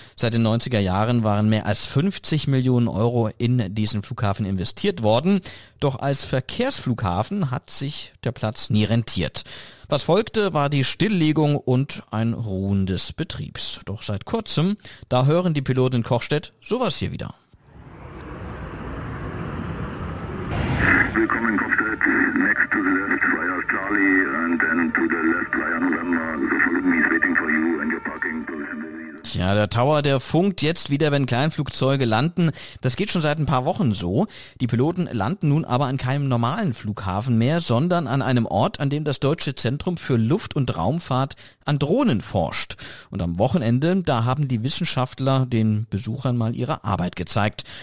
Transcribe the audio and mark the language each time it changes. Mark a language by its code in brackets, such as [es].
[de] Seit den 90er Jahren waren mehr als 50 Millionen Euro in diesen Flughafen investiert worden. Doch als Verkehrsflughafen hat sich der Platz nie rentiert. Was folgte, war die Stilllegung und ein Ruhen des Betriebs. Doch seit kurzem, da hören die Piloten in Kochstedt sowas hier wieder. Willkommen in Kochstedt. [en] Next to the left, via Charlie, and then to the left, via November. The following is waiting for you and your parking position. [de] Ja, der Tower, der funkt jetzt wieder, wenn Kleinflugzeuge landen. Das geht schon seit ein paar Wochen so. Die Piloten landen nun aber an keinem normalen Flughafen mehr, sondern an einem Ort, an dem das Deutsche Zentrum für Luft- und Raumfahrt an Drohnen forscht. Und am Wochenende, da haben die Wissenschaftler den Besuchern mal ihre Arbeit gezeigt.